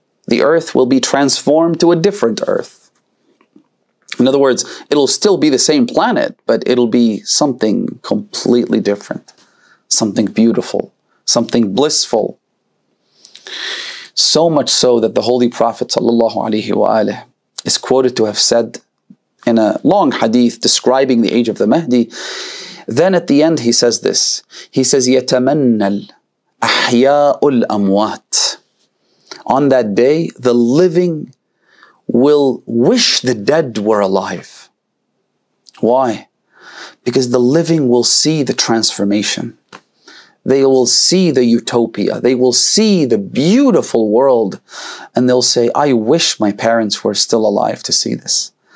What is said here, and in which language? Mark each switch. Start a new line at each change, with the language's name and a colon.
English: The earth will be transformed to a different earth. In other words, it'll still be the same planet, but it'll be something completely different. Something beautiful. Something blissful. So much so that the Holy Prophet sallallahu alaihi wa alihi is quoted to have said in a long hadith describing the age of the Mahdi. Then at the end he says this. He says,
Arabic: يَتَمَنَّ الْأَحْيَاءُ الْأَمْوَاتِ.
English: On that day, the living will wish the dead were alive. Why? Because the living will see the transformation. They will see the utopia. They will see the beautiful world. And they'll say, I wish my parents were still alive to see this.